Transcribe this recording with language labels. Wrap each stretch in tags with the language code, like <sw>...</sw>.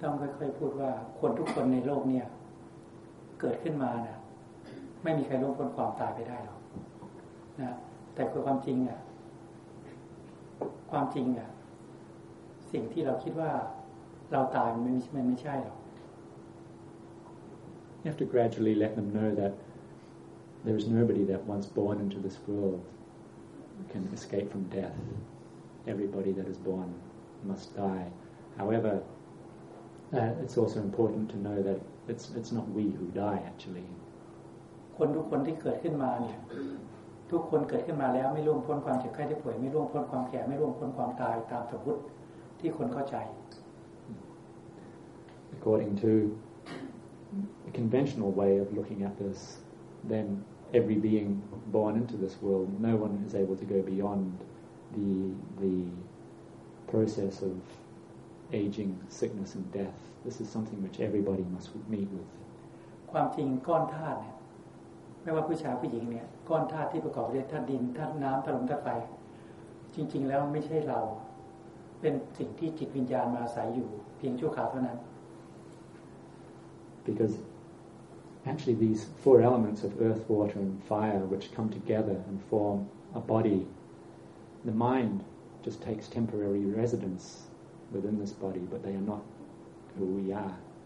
<th>ต้องค่อยๆพูดว่าคนทุกคนในโลกเนี่ยเกิดขึ้นมานะไม่มีใครล่วงพ้นความตายไปได้หรอกนะแต่ความจริงอ่ะความจริงอ่ะสิ่งที่เราคิดว่าเราตายมันไม่ใช่หรอก</th> <en>You have to gradually let them know that there's nobody that once born into this world can escape from death. Everybody that is born must die. Howeverit's also important to know that it's not we who die actually</en> <th>คนทุกคนที่เกิดขึ้นมาเนี่ยทุกคนเกิดขึ้นมาแล้วไม่ร่วมพ้นความเจ็บไข้ได้ป่วยไม่ร่วมพ้นความแก่ไม่ร่วมพ้นความตายตามสมมุติที่คนเข้าใจ</th> <en>according to the conventional way of looking at this then every being born into this world no one is able to go beyond the process ofaging sickness and death this is something which everybody must meet with</en> <th>ความจริงก้อนธาตุเนี่ยไม่ว่าผู้ชายผู้หญิงเนี่ยก้อนธาตุที่ประกอบด้วยธาตุดินธาตุน้ําธาตุลมธาตุไฟจริงๆแล้วไม่ใช่เราเป็นสิ่งที่จิตวิญญาณมาอาศัยอยู่เพียงชั่วคราวเท่านั้น</th> <en>because actually these four elements of earth water and fire which come together and form a body the mind just takes temporary residenceWithin this body, but they are not who we are.</en>